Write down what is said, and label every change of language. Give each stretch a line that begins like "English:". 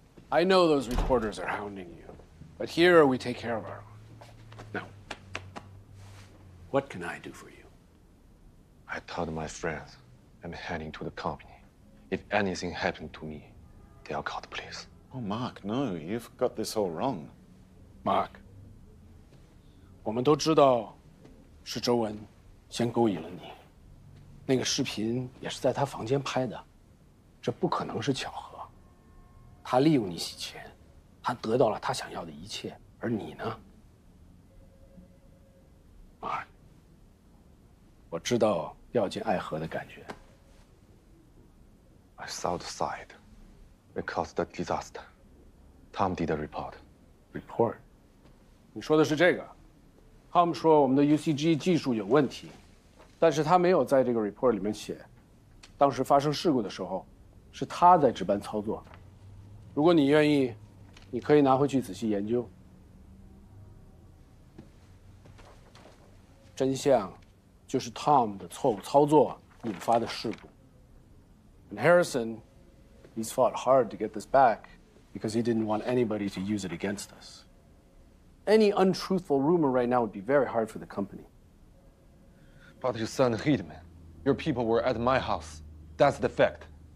English: I know those reporters are hounding you, but here we take care of our own. Now, what can I do for you? I told my friends I'm heading to the company. If anything happened to me, they'll call the police. Oh, Mark, no, you've got this all wrong.
Chinese: Mark, 我们都知道是周文先勾引了你，那个视频也是在他房间拍的，这不可能是巧合。他利用你洗钱，他得到了他想要的一切，而你呢 ？Mark， 我知道掉进爱河的感觉。
English: I saw the site. We caused the disaster. Tom did a report.
Chinese: Report. 你说的是这个 ，Tom 说我们的 UCG 技术有问题，但是他没有在这个 report 里面写，当时发生事故的时候，是他在值班操作。如果你愿意，你可以拿回去仔细研究。真相就是 Tom 的错误操作引发的事故。
English: And Harrison, he's fought hard to get this back because he didn't want anybody to use it against us. Any untruthful rumor right now would be very hard for the company. But you sent hitmen. Your people were at my house. That's the fact.